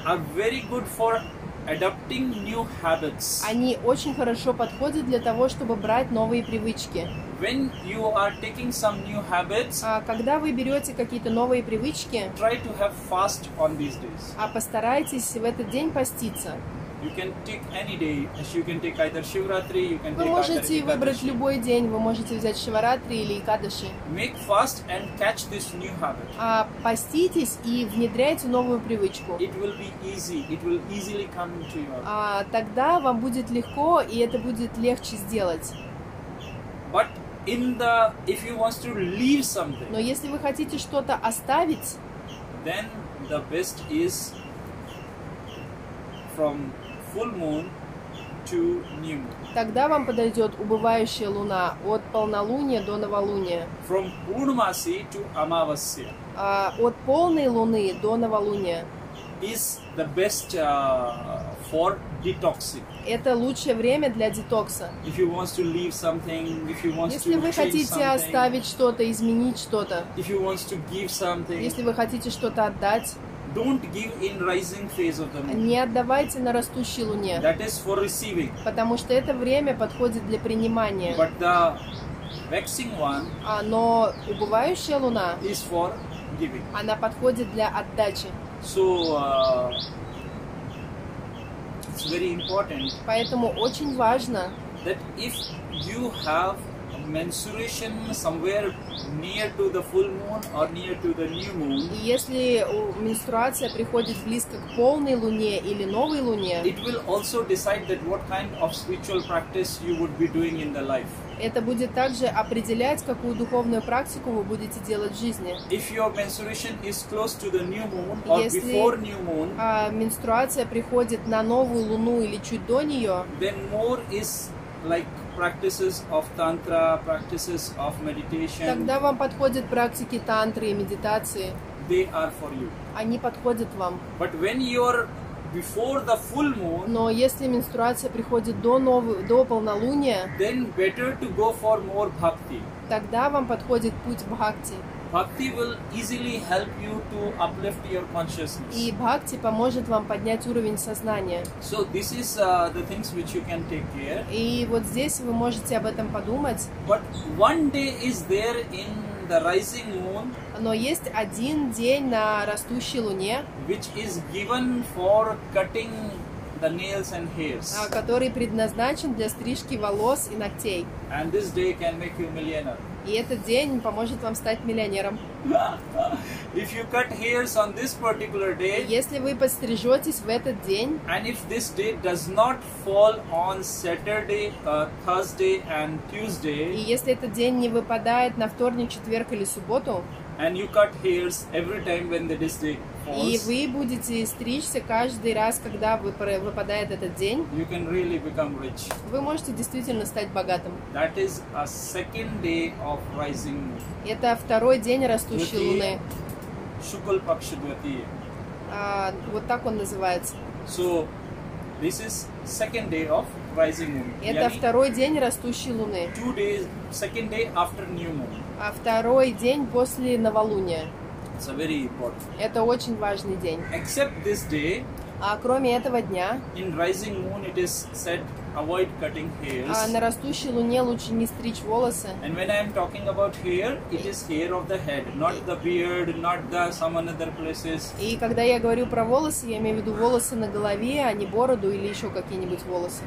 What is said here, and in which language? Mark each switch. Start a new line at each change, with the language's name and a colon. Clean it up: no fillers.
English: Are very good for adopting new habits.
Russian: Они очень хорошо подходят для того, чтобы брать новые привычки.
English: When you are taking some new habits,
Russian: когда вы берете какие-то новые привычки,
English: try to have fast on these days.
Russian: Постарайтесь в этот день поститься.
English: You can take any day, as you can take either Shivratri, you can
Russian: Вы можете выбрать любой день, вы можете взять Шиваратри или Икадаши.
English: Make fast and catch this new habit.
Russian: Поститесь и внедряйте новую привычку.
English: It will be easy, it will easily come into your life.
Russian: Тогда вам будет легко, и это будет легче сделать.
English: But in the, if you want to leave something,
Russian: но если вы хотите что-то оставить,
English: then the best is from full moon to new moon.
Russian: Тогда вам подойдет убывающая луна от полнолуния до новолуния.
English: From Purnamasi to Amavasya.
Russian: От полной луны до новолуния.
English: Is the best for detoxing.
Russian: Это лучшее время для детокса.
English: If you want to leave something, if you want
Russian: если вы хотите оставить что-то, изменить что-то,
English: if you want to give something,
Russian: если вы хотите что-то отдать,
English: don't give in rising phase of the moon.
Russian: Не отдавайте на растущей луне.
English: That is for receiving.
Russian: Потому что это время подходит для принимания.
English: But the waxing one,
Russian: но убывающая луна,
English: is for giving.
Russian: Она подходит для отдачи.
English: So, it's very important.
Russian: Поэтому очень важно.
English: That if you have a menstruation somewhere near to the full moon or near to the new moon.
Russian: И если менструация приходит близко к полной луне или новой луне.
English: It will also decide that what kind of spiritual practice you would be doing in the life.
Russian: Это будет также определять, какую духовную практику вы будете делать в жизни.
English: If your menstruation is close to the new moon or
Russian: если,
English: before new moon,
Russian: менструация приходит на новую луну или чуть до нее,
English: then more is like practices of tantra, practices of meditation.
Russian: Тогда вам подходят практики тантры и медитации.
English: They are for you.
Russian: Они подходят вам.
English: But when you're before the full moon,
Russian: но если менструация приходит до до полнолуния,
English: then better to go for more bhakti.
Russian: Тогда вам подходит путь бхакти.
English: Bhakti will easily help you to uplift your consciousness.
Russian: И бхакти поможет вам поднять уровень сознания.
English: So this is the things which you can take care.
Russian: И вот здесь вы можете об этом подумать.
English: But one day is there in the rising moon.
Russian: Но есть один день на растущей луне,
English: which is given for cutting the nails and hairs,
Russian: который предназначен для стрижки волос и ногтей.
English: And this day can make you a millionaire.
Russian: И этот день поможет вам стать миллионером.
English: If you cut hairs on this particular day,
Russian: если вы подстрижетесь в этот день,
English: and if this day does not fall on Saturday, Thursday and Tuesday,
Russian: и если этот день не выпадает на вторник, четверг или субботу,
English: and you cut hairs every time when the day falls,
Russian: и вы будете стричься каждый раз, когда выпадает этот день,
English: you can really become rich.
Russian: Вы можете действительно стать богатым.
English: That is a second day of rising moon.
Russian: Это второй день растущей луны. Шукл пакши двитие. Вот так он называется.
English: So this is second day of rising moon.
Russian: Это второй день растущей луны.
English: Two days, second day after new moon.
Russian: А второй день после новолуния.
English: It's a very important.
Russian: Это очень важный день.
English: Except this day.
Russian: Кроме этого дня.
English: In rising moon it is said avoid cutting hairs.
Russian: На растущей луне лучше не стричь волосы.
English: And when I am talking about hair, it is hair of the head, not the beard, not the some other places.
Russian: И когда я говорю про волосы, я имею в виду волосы на голове, а не бороду или еще какие-нибудь волосы.